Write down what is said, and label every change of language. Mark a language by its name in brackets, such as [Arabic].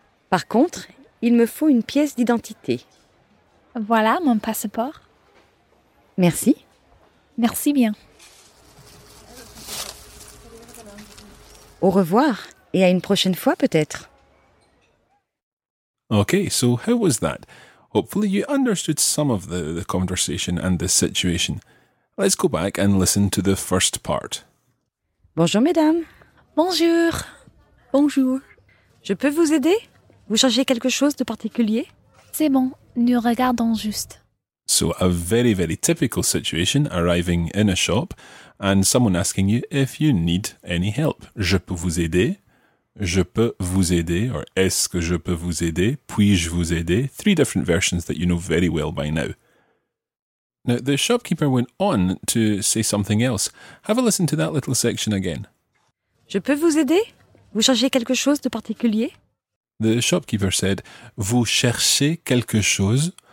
[French] Par contre, il me faut une pièce d'identité. Voilà mon passeport. Merci. Merci bien. Au revoir et à une prochaine fois peut-être. [English] Okay, so how was that? Hopefully you understood some of the conversation and the situation. Let's go back and listen to the first part. [French] Bonjour, mesdames. Bonjour. Bonjour. Je peux vous aider? Vous cherchez quelque chose de particulier? C'est bon, nous regardons juste. [English] So, a very, very typical situation, arriving in a shop and someone asking you if you need any help. [French] Je peux vous aider? Je peux vous aider, or est-ce que je peux vous aider? Puis-je vous aider? [English] Three different versions that you know very well by now. Now, the shopkeeper went on to say something else. Have a listen to that little section again. [French] Je peux vous aider? Vous cherchez quelque chose de particulier? [English] The shopkeeper said, [French] vous cherchez quelque chose